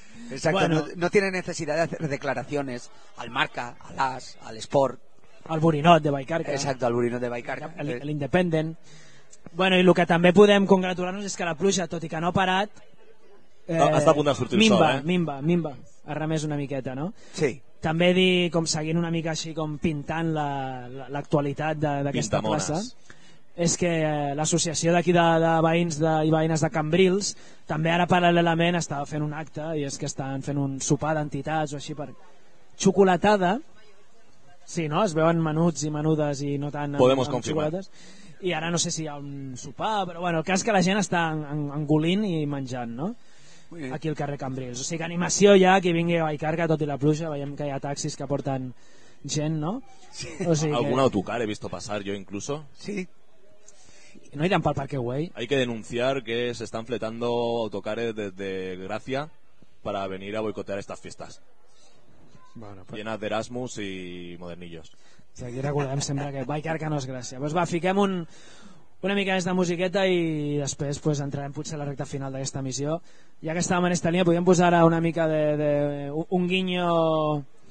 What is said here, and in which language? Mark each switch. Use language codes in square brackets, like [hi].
[es] Exacto, bueno. No tiene necesidad de hacer declaraciones al Marca, al AS, al Sport. Al Burinot de Baicarca. Exacto, al Burinot de Baicarca. El Independent. Bueno, y lo que también podemos congratularnos es que la [ca] pluja, tot i que no ha parat... [es] Hasta [ca] a punt de sortir Mimba, el sol, Mimba. Ha remès una miqueta, no? Sí. També com seguint una mica així, com pintant l'actualitat d'aquesta plaça, és que l'associació d'aquí de veïns i veïnes de Cambrils també ara paral·lelament estava fent un acte, i és que estan fent un sopar d'entitats o així per xocolatada. Sí, no? Es veuen menuts i menudes i no tant amb xocolates. I ara no sé si hi ha un sopar, però bueno, el cas que la gent està engolint i menjant, no? Aquí al carrer Cambrils. O sigui, animació ja, que vingui a Baicarca, tot i la pluja, veiem que hi ha taxis que porten gent, no? Sí. O sigui, algun autocar [es] he visto pasar yo incluso. Sí. No irán para el Parque Güell. Hay que denunciar que se están fletando autocares desde Gracia para venir a boicotear estas fiestas. Bueno, pues... llenas de Erasmus y modernillos. O sea, [ca] aquí recordem sempre que va quedar que no és Gràcia. Pues va, fiquem un, una mica més de musiqueta i després pues, entrarem potser a la recta final d'aquesta emissió. Ja que estàvem en esta línia, podríem posar una mica de un guinyo...